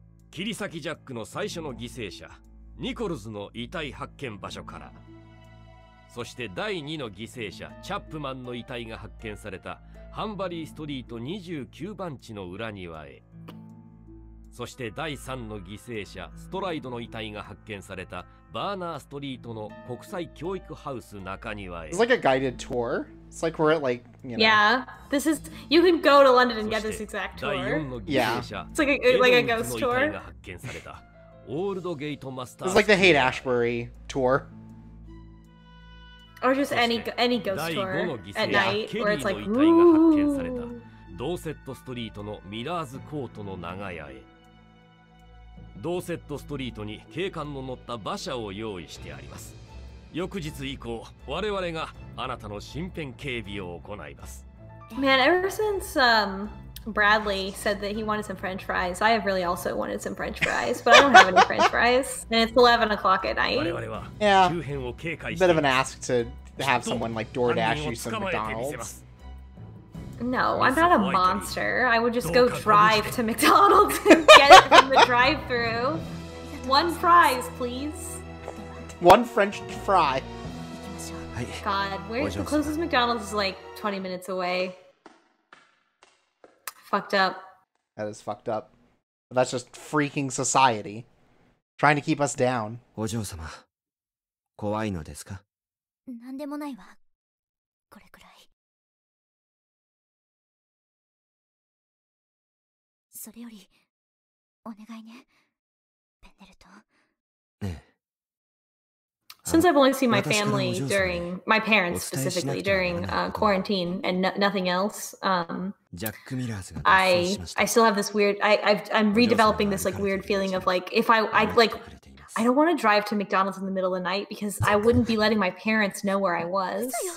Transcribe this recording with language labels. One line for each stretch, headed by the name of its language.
Japanese: 切り裂きジャックの最初の犠牲者。ニコルズの遺体発見場所からそして第二の犠牲者チャップマンの遺体が発見されたハンバリーストリート29番地の裏庭へそして第三の犠牲者ストライドの遺体が発見されたバーナーストリートの国際教育ハウス中庭へ
English: It's like a guided tour. It's like we're at like, you know. Yeah, this is, you can go to London and get this exact tour.
Japanese: 第四の犠牲者
English: It's like a ghost tour.
Japanese: の遺体が発見されたオールドゲートマスター
English: It's like the Haight-Ashbury tour. Or just any ghost tour at night, where it's like, woo!
Japanese: 第5の犠牲者、ケリーの遺体が発見された。ドーセットストリートのミラーズコートの長屋へ。ドーセットストリートに警官の乗った馬車を用意してあります。翌日以降、我々があなたの身辺警備を行います。
English: Man, ever since, Bradley said that he wanted some French fries. I have really also wanted some French fries, but I don't have any French fries. And it's 11 o'clock at night. Yeah. Bit of an ask to have someone like DoorDash you some McDonald's. No, I'm not a monster. I would just go drive to McDonald's and get it from the drive-thru. One fries, please. One French fry. God, where's the closest McDonald's is like 20 minutes away. Fucked up. That is fucked up. That's just freaking society. Trying to keep us down.
Japanese: お嬢様、怖いのですか？なんでもないわ。これくらい。それより、お願いね、ペンデルト。ねえ。
English: Since I've only seen my family during, my parents specifically, during quarantine and nothing else, I still have this weird, I'm redeveloping this like weird feeling of like, if I like, I don't want to drive to McDonald's in the middle of the night because I wouldn't be letting my parents know where I was.